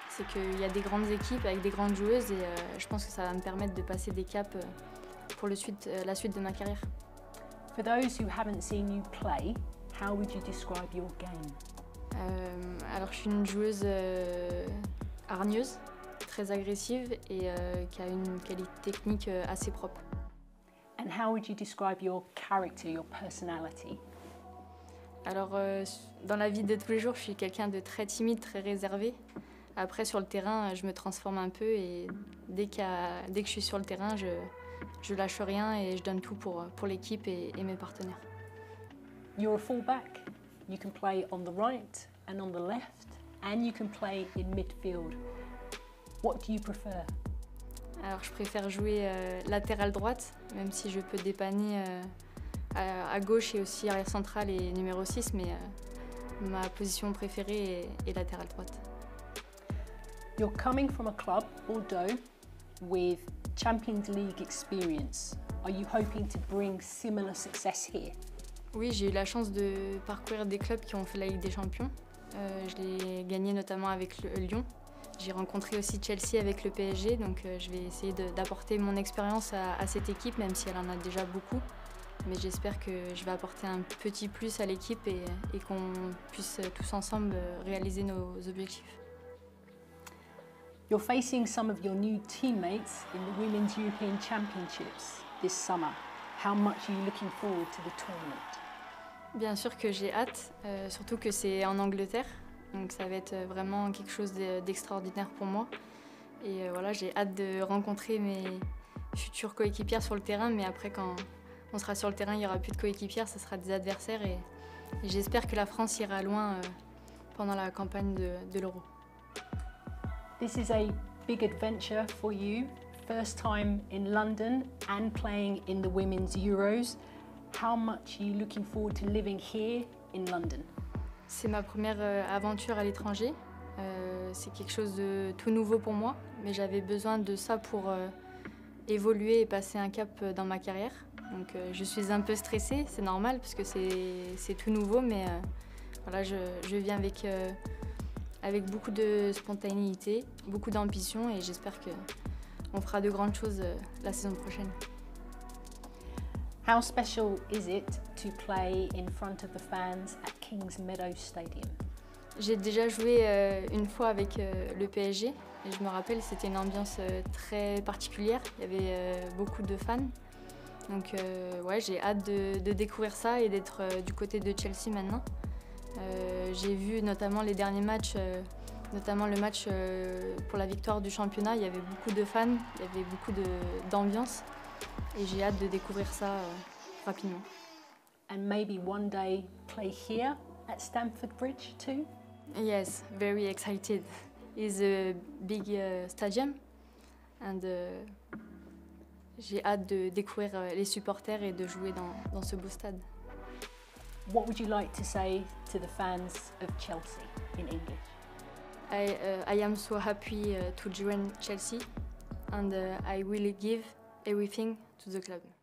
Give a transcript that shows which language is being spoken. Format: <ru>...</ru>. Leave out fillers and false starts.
<fr>C'est qu'il y a des grandes équipes avec des grandes joueuses et je pense que ça va me permettre de passer des caps pour la suite de ma carrière.</fr> <en>For those who haven't seen you play, how would you describe your game?</en> <fr>Alors, je suis une joueuse hargneuse, très agressive et qui a une qualité technique assez propre.</fr> <en>And how would you describe your character, your personality?</en> <fr>Alors, dans la vie de tous les jours, je suis quelqu'un de très timide, très réservé. Après, sur le terrain, je me transforme un peu et dès que je suis sur le terrain, je lâche rien et je donne tout pour l'équipe et mes partenaires.</fr> <en>You're a fullback. You can play on the right and on the left, and you can play in midfield. What do you prefer?</en> <fr>Alors, je préfère jouer latéral droite, même si je peux dépanner à gauche et aussi arrière central et numéro 6, mais ma position préférée est latéral droite.</fr> <en>You're coming from a club, Bordeaux, with Champions League experience. Are you hoping to bring similar success here?</en> <fr>Oui, j'ai eu la chance de parcourir des clubs qui ont fait la Ligue des Champions. Je l'ai gagné notamment avec Lyon. J'ai rencontré aussi Chelsea avec le PSG, donc je vais essayer d'apporter mon expérience à cette équipe, même si elle en a déjà beaucoup. Mais j'espère que je vais apporter un petit plus à l'équipe et qu'on puisse tous ensemble réaliser nos objectifs.</fr> <en>You're facing some of your new teammates in the Women's European Championships this summer. How much are you looking forward to the tournament?</en> <fr>Bien sûr que j'ai hâte, surtout que c'est en Angleterre. Donc ça va être vraiment quelque chose d'extraordinaire pour moi. Et voilà, j'ai hâte de rencontrer mes futures coéquipières sur le terrain. Mais après, quand on sera sur le terrain, il n'y aura plus de coéquipières, ce sera des adversaires. Et j'espère que la France ira loin pendant la campagne de l'Euro.</fr> <en>This is a big adventure for you. First time in London and playing in the Women's Euros. How much are you looking forward to living here in London?</en> <fr>C'est ma première aventure à l'étranger. C'est quelque chose de tout nouveau pour moi, mais j'avais besoin de ça pour évoluer et passer un cap dans ma carrière. Donc je suis un peu stressée, c'est normal, parce que c'est tout nouveau, mais voilà, je viens avec beaucoup de spontanéité, beaucoup d'ambition, et j'espère qu'on fera de grandes choses la saison prochaine.</fr> <en>How special is it to play in front of the fans at King's Meadow Stadium?</en> <fr>J'ai déjà joué une fois avec le PSG et je me rappelle c'était une ambiance très particulière. Il y avait beaucoup de fans. Donc ouais, j'ai hâte de découvrir ça et d'être du côté de Chelsea maintenant. J'ai vu notamment les derniers matchs, notamment le match pour la victoire du championnat. Il y avait beaucoup de fans, il y avait beaucoup d'ambiance et j'ai hâte de découvrir ça rapidement.</fr> <en>And maybe one day play here at Stamford Bridge too? Yes, very excited. It's a big stadium and</en> <fr>j'ai hâte de découvrir les supporters et de jouer dans ce beau stade.</fr> <en>What would you like to say to the fans of Chelsea in English? I am so happy to join Chelsea and I will give everything to the club.</en>